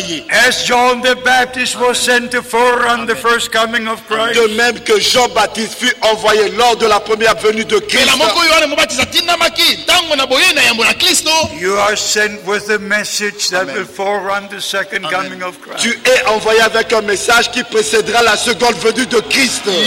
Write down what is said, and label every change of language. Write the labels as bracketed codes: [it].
[en] As John the Baptist was sent to forerun the first coming of Christ. [fr] De même que Jean-Baptiste fut envoyé lors de la première venue de Christ. [en] You are sent with a message that will forerun the second coming of Christ. [fr] Tu es envoyé avec un message qui précédera la seconde venue de Christ.